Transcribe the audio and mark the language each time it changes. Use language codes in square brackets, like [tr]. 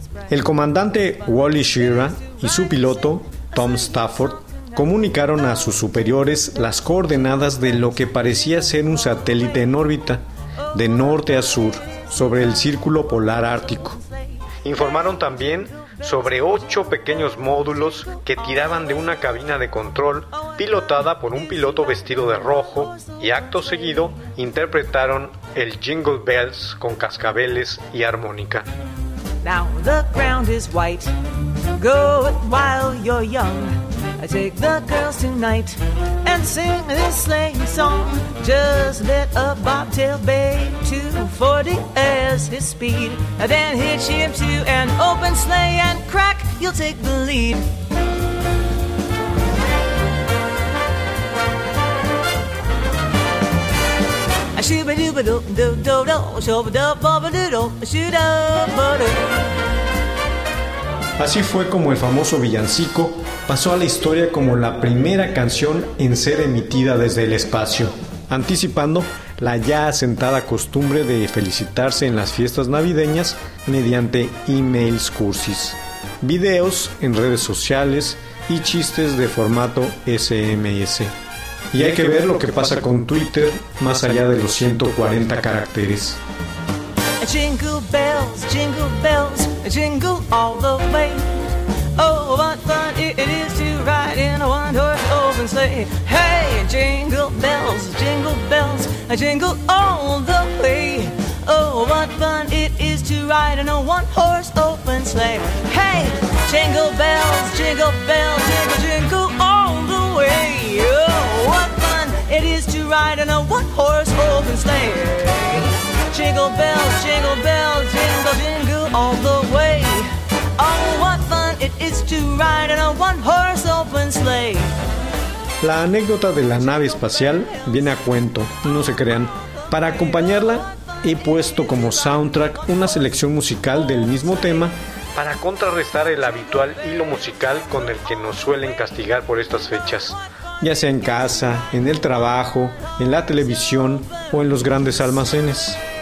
[es] El comandante Wally Schirra y su piloto, Tom Stafford, comunicaron a sus superiores las coordenadas de lo que parecía ser un satélite en órbita, de norte a sur, sobre el círculo polar ártico. Informaron también sobre 8 pequeños módulos que tiraban de una cabina de control pilotada por un piloto vestido de rojo y acto seguido interpretaron el Jingle Bells con cascabeles y armónica. [en] Now the ground is white, go it while you're young. I take the girls tonight and sing this sleighing song. Just let a bobtail bay 240 as his speed. And then hitch him to an open sleigh and crack, you'll take the lead. A shooba dooba do do do do, a shooba do bobba do do, a shooba bo do. [es] Así fue como el famoso villancico pasó a la historia como la primera canción en ser emitida desde el espacio, anticipando la ya asentada costumbre de felicitarse en las fiestas navideñas mediante emails cursis, videos en redes sociales y chistes de formato SMS. Y hay que ver lo que pasa con Twitter más allá de los 140 caracteres. [en] Jingle bells, jingle all the way. Oh, what fun it is to ride in a one-horse open sleigh. Hey, jingle bells, jingle all the way. Oh, what fun it is to ride in a one-horse open sleigh. Hey, jingle bells, jingle bells, jingle, jingle all the way. Oh, what fun it is to ride in a one-horse open sleigh. Jingle bells, jingle bells, jingle, jingle all the way. Oh, what fun it is to ride in a one-horse open sleigh. [es] La anécdota de la nave espacial viene a cuento, no se crean. Para acompañarla, he puesto como soundtrack una selección musical del mismo tema para contrarrestar el habitual hilo musical con el que nos suelen castigar por estas fechas. Ya sea en casa, en el trabajo, en la televisión o en los grandes almacenes.